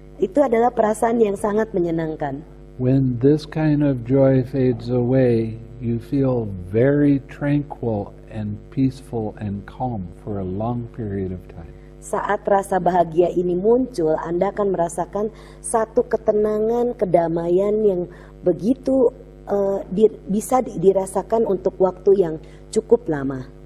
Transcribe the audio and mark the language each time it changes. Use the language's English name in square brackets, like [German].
[Indonesian] Itu adalah perasaan yang sangat menyenangkan. [English] When this kind of joy fades away, you feel very tranquil and peaceful and calm for a long period of time. [Indonesian] Saat rasa bahagia ini muncul, Anda akan merasakan satu ketenangan, kedamaian yang begitu bisa dirasakan untuk waktu yang cukup lama.